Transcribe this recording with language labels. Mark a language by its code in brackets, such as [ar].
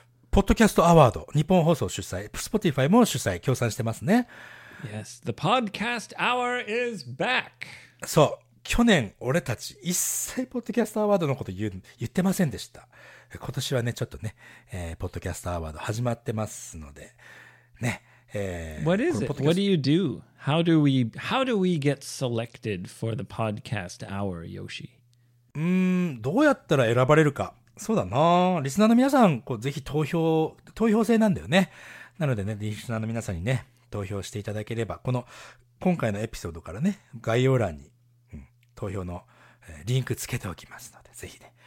[ja] ポッドキャストアワード、日本放送主催、Spotify も主催、協賛してますね。 [en] Yes, the podcast hour is back. [ja] そう、去年俺たち一切ポッドキャストアワードのこと言ってませんでした。今年はね、ちょっとね、ポッドキャストアワード始まってますので、ね。 [en] What is it? What do you do? How do we get selected for the podcast hour, Yoshi? [ja] どうやったら選ばれるか。そうだな、リスナーの皆さん、こうぜひ投票制なんだよね。なのでね、リスナーの皆さんにね、投票していただければ、この今回のエピソードからね、概要欄に、投票の、リンクつけておきますので、ぜひね、